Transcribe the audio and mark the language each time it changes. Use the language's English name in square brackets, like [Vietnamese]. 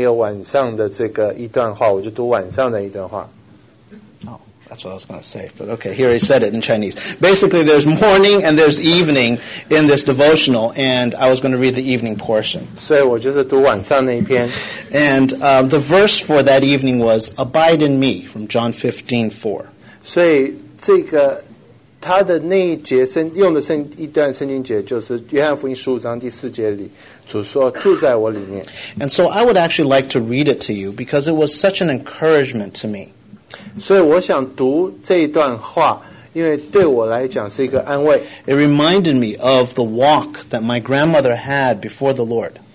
[Chinese] 所以我那天早上就是要晨更，然后我就把这个我要讲的，我要交通的也交给主，我就读了这个他这本书里面，就是他有早上也有晚上的这个一段话，我就读晚上的一段话。 [English] That's what I was going to say. But okay, here he said it in Chinese. Basically, there's morning and there's evening in this devotional, and I was going to read the evening portion. [Chinese] 所以我就是读晚上那一篇。 [English] And the verse for that evening was, Abide in me, from John 15:4. [Chinese] 所以这个他的那一节用的圣经节就是约翰福音15章第4节里主说住在我里面。 [English] And so I would actually like to read it to you because it was such an encouragement to me. [Chinese] 所以我想读这一段话，因为对我来讲是一个安慰。 [English] It reminded me of the walk that my grandmother had before the Lord.